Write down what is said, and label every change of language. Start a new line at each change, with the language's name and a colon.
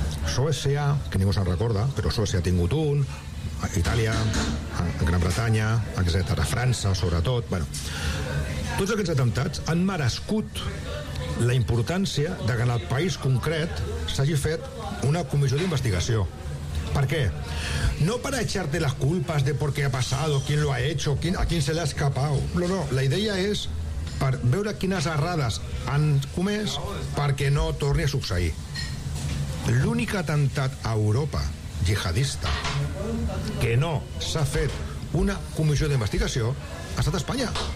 Catalan: Suècia, que ningú se'n recorda, però Suècia ha tingut un, a Itàlia, a Gran Bretanya, etcètera, a França, sobretot, bueno... Tots aquests atemptats han merescut la importància de que en el país concret s'hagi fet una comissió d'investigació. Per què? No per
Spanish: echarte les culpes de por qué ha pasado, quién lo ha hecho, a quién se le ha escapado.
Catalan: No, no, la idea és per veure quines errades han comès perquè no torni a succeir. L'únic atemptat a Europa jihadista que no s'ha fet una comissió d'investigació ha estat Espanya.